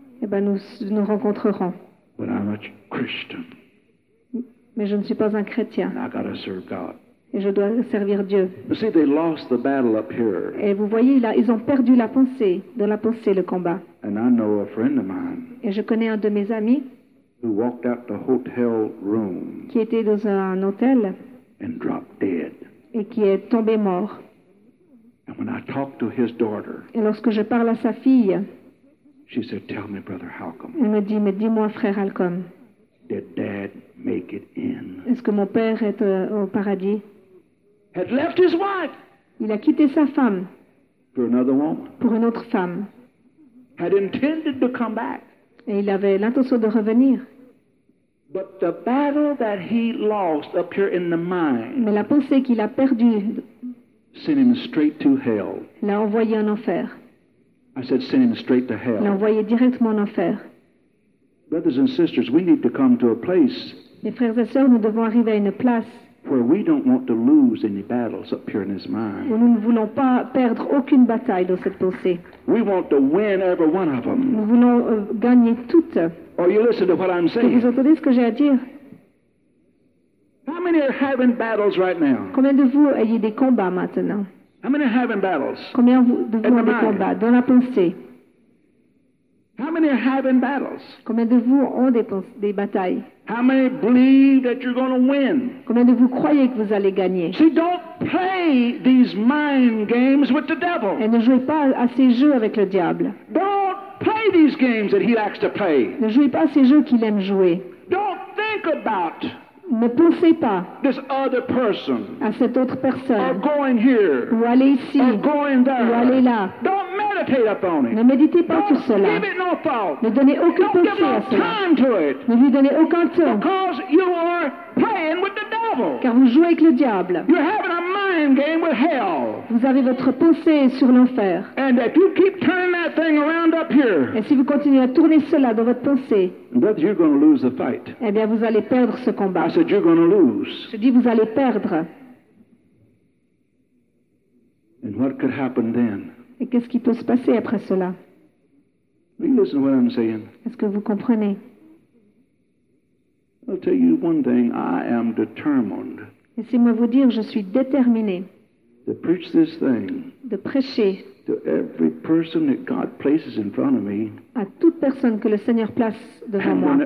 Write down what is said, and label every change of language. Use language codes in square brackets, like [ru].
[fr] Eh ben, nous rencontrerons. [en] But I'm a Christian. [fr] Mais je ne suis pas un chrétien. [en] And I gotta serve God. [fr] Et je dois servir Dieu. [en] You see, they lost the battle up here. [fr] Et vous voyez, là, ils ont perdu la pensée, dans la pensée, le combat. [en] And I know a friend of mine. [fr] Et je connais un de mes amis [en] who walked out the hotel room [fr] qui était dans un hôtel [en] and dropped dead. [fr] Et qui est tombé mort. [en] And when I talked to his daughter, [fr] et lorsque je parle à sa fille, [en] she said, "Tell me, Brother Halcom." [fr] Elle me dit, mais dis-moi, frère Halcom, [en] did Dad make it in? [fr] Est-ce que mon père est au paradis? [en] Had left his wife. [fr] Il a quitté sa femme. [en] For another woman. [fr] Pour une autre femme. [en] Had intended to come back. [fr] Et il avait l'intention de revenir. [en] But the battle that he lost up here in the mind. [fr] Mais la pensée qu'il a perdue. [en] Sent him straight to hell. [fr] L'a envoyé en enfer. [en] I said, send him straight to hell. [fr] L'a envoyé directement en enfer. [en] Brothers and sisters, we need to come to a place. [fr] Les frères et sœurs, nous devons arriver à une place. [en] Where we don't want to lose any battles up here in his mind. [fr] Où nous ne voulons pas perdre aucune bataille dans cette pensée. [en] We want to win every one of them. [fr] Nous voulons gagner toutes. [en] Are you listening to what I'm saying? [fr] Vous entendez ce que j'ai à dire? [en] How many are having battles right now? [fr] Combien de vous ayez des combats maintenant? [en] How many are having battles? [fr] Combien de vous avez des combats dans la pensée? [en] How many are having battles? [fr] Combien de vous ont des batailles? [en] How many believe that you're going to win? [fr] Combien de vous croyez que vous allez gagner? [en] See, don't play these mind games with the devil. [fr] Et ne jouez pas à ces jeux avec le diable. [en] Don't play these games that he likes to play. [fr] Ne jouez pas à ces jeux qu'il aime jouer. [en] Don't think about [fr] ne pensez pas [en] this other person, [fr] à cette autre personne, [en] or going here, [fr] ou aller ici, [en] or going there, [fr] ou aller là. [en] Don't meditate upon it. [fr] Ne méditez pas sur cela. [en] Give it no thought. [fr] Ne donnez aucune pensée à cela. [en] Time to it. [fr] Ne lui donnez aucun temps. [en] Because you are playing with the devil. [fr] Car vous jouez avec le diable. [en] You're having a mind game with hell. [fr] Vous avez votre pensée sur l'enfer. [en] And if you keep turning that thing around up here, [fr] et si vous continuez à tourner cela dans votre pensée, [en] brother, you're going to lose the fight. [fr] Eh bien, vous allez perdre ce combat. [en] I said, you're going to lose. [fr] Je dis, vous allez perdre. [en] And what could happen then? [fr] Et qu'est-ce qui peut se passer après cela? [en] You listen to what I'm saying. [fr] Est-ce que vous comprenez? [en] I'll tell you one thing. I am determined. [fr] Laissez-moi vous dire, je suis déterminé. [en] To preach this thing. [fr] De prêcher. [en] To every person that God places in front of me, [fr] à toute personne que le Seigneur place devant moi,